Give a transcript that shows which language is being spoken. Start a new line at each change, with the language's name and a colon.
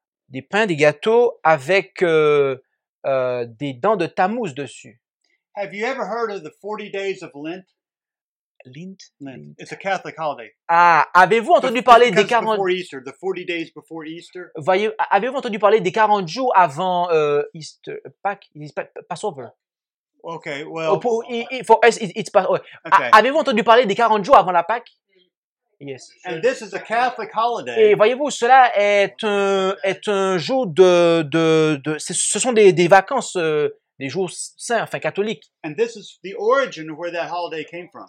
French: Des pains, des gâteaux avec des dents de Tammuz dessus.
English: Have you ever heard of the 40 days of Lent? Lent? Lent. It's a Catholic holiday.
French: Avez-vous entendu parler des 40 jours?
English: Before Easter, the 40 days before Easter.
French: Avez-vous entendu parler des 40 jours avant
English: Easter, Passover? Okay, well. For us, it's Passover. Okay.
French: Avez-vous entendu parler des 40 jours avant la Pâque?
English: Yes. And this is a Catholic holiday.
French: Et voyez-vous, cela est un jour de ce sont des vacances, des jours saints, enfin catholiques.
English: And this is the origin of where that holiday came from.